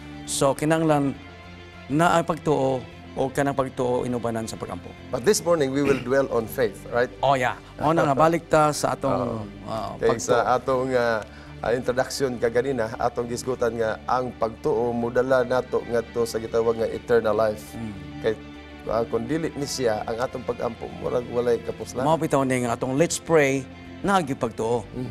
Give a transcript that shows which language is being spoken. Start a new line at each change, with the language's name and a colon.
Cebuano: So kinanglan na ang pagtuo o kanang pagtuo inubanan sa pag-ampo.
English: But this morning we will dwell on faith, right?
Cebuano: Oh yeah. Mao na nga balik ta sa atong pagtuo. Sa atong introduction kaganina, atong gisgutan nga ang pagtuo mudala nato ngadto sa gitawag nga eternal life. Mm. Kay kung dili ni siya ang atong pag-ampo, murag walay kapuslan. Mao bitaw ning atong let's pray nagi pagtuo.